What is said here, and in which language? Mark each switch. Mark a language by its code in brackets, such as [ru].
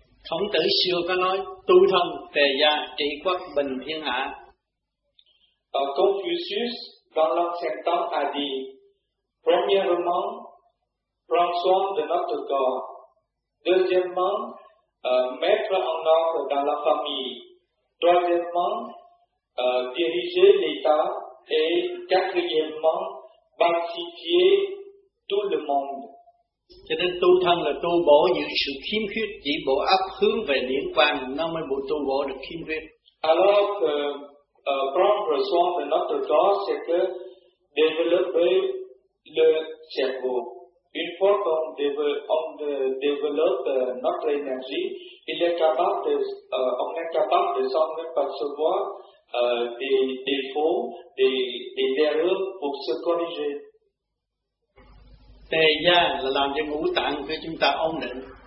[vi] Khổng Tử xưa có nói, tu thân, tề gia, trị quốc, bình thiên hạ. [fr] Confucius, dans l'ancien temps, a dit, premièrement, prends soin de notre corps. Deuxièmement, mettre en ordre dans la famille. Troisièmement, diriger l'État et quatrièmement pacifier tout le monde. [vi] Cho nên tu thân là tu bổ những sự khiếm khuyết, chỉ bổ áp hướng về niệm quan, nó mới bổ tu bổ được khiếm khuyết. [fr] Alors, prendre soin de notre corps, c'est que développer le cerveau. Une fois qu'on développe notre énergie, il est capable de, on est capable de s'en percevoir des défauts, des erreurs pour se corriger. [vi] Thế ra là làm cho ngũ tạng của chúng ta ổn định.